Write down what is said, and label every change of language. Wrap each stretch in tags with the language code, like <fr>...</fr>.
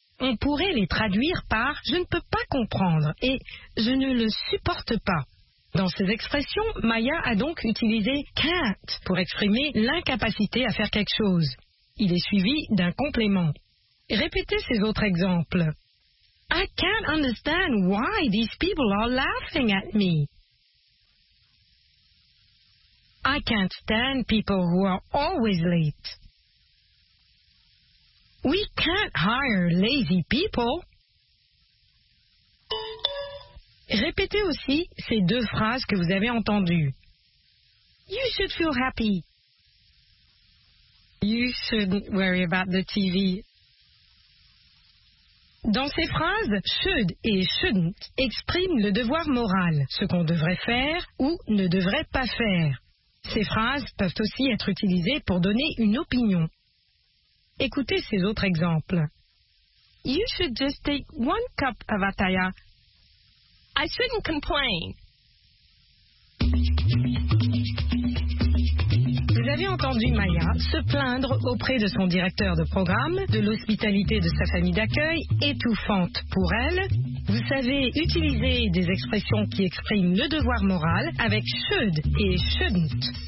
<fr>On pourrait les traduire par « je ne peux pas comprendre » et « je ne le supporte pas ». Dans ces expressions, Maya a donc utilisé « can't » pour exprimer l'incapacité à faire quelque chose. Il est suivi d'un complément. Répétez ces autres exemples.</fr> <en>I can't understand why these people are laughing at me. I can't stand people who are always late. We can't hire lazy people.</en> <fr>Répétez aussi ces deux phrases que vous avez entendues.</fr> <en>You should feel happy. You shouldn't worry about the TV.</en> <fr>Dans ces phrases, should et shouldn't expriment le devoir moral, ce qu'on devrait faire ou ne devrait pas faire. Ces phrases peuvent aussi être utilisées pour donner une opinion. Écoutez ces autres exemples.</fr> <en>You should just take one cup of Ataya. I shouldn't complain.</en> <fr>Vous avez entendu Maya se plaindre auprès de son directeur de programme de l'hospitalité de sa famille d'accueil, étouffante pour elle. Vous savez utiliser des expressions qui expriment le devoir moral avec should et shouldn't.</fr>